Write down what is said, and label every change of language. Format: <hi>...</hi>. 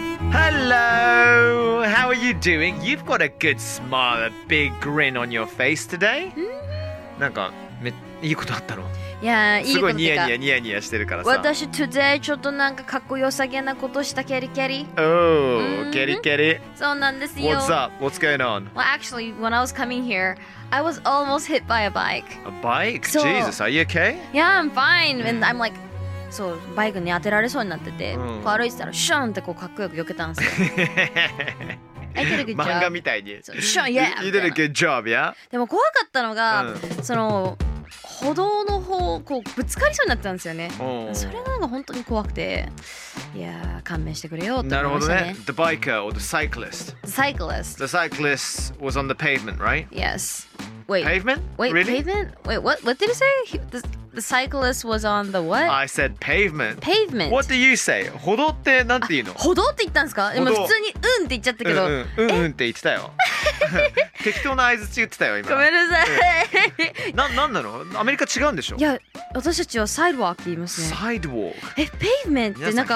<en>Hello! How are you doing? You've got a good smile, a big grin on your face today.</en> <ja>なんか、いいことあったの？いやいいことすごいニヤニヤニヤニヤしてるからさ私</ja> <en>today</en> <ja>ちょっとなんかかっこよさげなことしたケリケリおー、ケリケリそうなんですよ</ja> <en>What's up? What's going on? Well actually when I was coming here I was almost hit by a bike A bike? So, Jesus are you okay? Yeah I'm fine and I'm like</en> <ja>そうバイクに当てられそうになってて、こう歩いてたらシャンってこうかっこよく避けたんですよマンガみたいに</ja> <en>so, yeah, You did a good job yeah?</en> <ja>でも怖かったのが、その歩道の方こうぶつかりそうになってたんですよね。それなんか本当に怖くて、いやー勘弁してくれよって思いましたね。なるほどね。</ja> <en>The biker or the cyclist? The cyclist. The cyclist was on the pavement, right? Yes. Wait. Pavement? Wait. Really? Pavement? Wait. What? What did you say? The cyclist was on the what? I said pavement. Pavement. What do you say?</en> <ja>歩道ってなんて言うの？歩道って言ったんですか？でも普通にうんって言っちゃったけど。うんって言ってたよ。適当な相槌言ってたよ今ごめんなさい、うん、なんなのアメリカ違うんでしょいや私たちはサイドワークって言いますねサイドワークえペイブメントってなんか</ja>